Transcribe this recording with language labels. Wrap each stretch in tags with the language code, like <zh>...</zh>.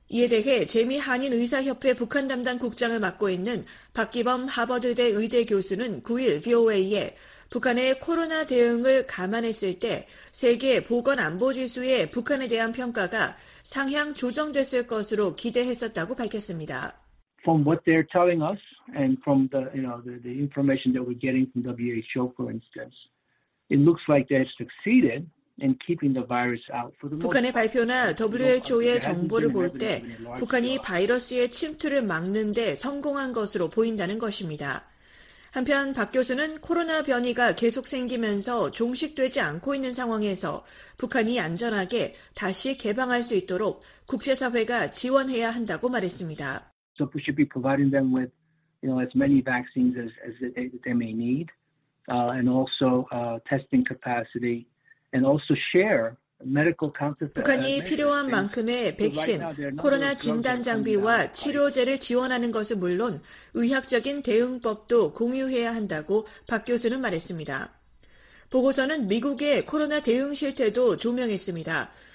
<ko>이에 대해 제미 한인의사협회 북한 담당 국장을 맡고 있는 박기범 하버드대 의대 교수는 9일 VOA에 북한의 코로나 대응을 감안했을 때 세계 보건안보지수의 북한에 대한 평가가 상향 조정됐을 것으로 기대했었다고 밝혔습니다.</ko> <en>From what they're telling us and from the, you know, the information that we're getting from WHO, for instance, it looks like they've succeeded.</en> <ko>북한의 발표나 WHO의 정보를 볼 때 북한이 바이러스의 침투를 막는 데 성공한 것으로 보인다는 것입니다. 한편 박 교수는 코로나 변이가 계속 생기면서 종식되지 않고 있는 상황에서 북한이 안전하게 다시 개방할 수 있도록 국제사회가 지원해야 한다고 말했습니다.</ko> <en>So we should be providing them with, you know, as many vaccines as they may need, and also testing capacity. And also share medical counter</en> <ko>북한이 필요한 만큼의 백신, 코로나 진단 장비와 치료제를 지원하는 것은 물론 의학적인 대응법도 공유해야 한다고 박 교수는 말했습니다. 보고서는 미국의 코로나 대응 실태도 조명했습니다.</ko>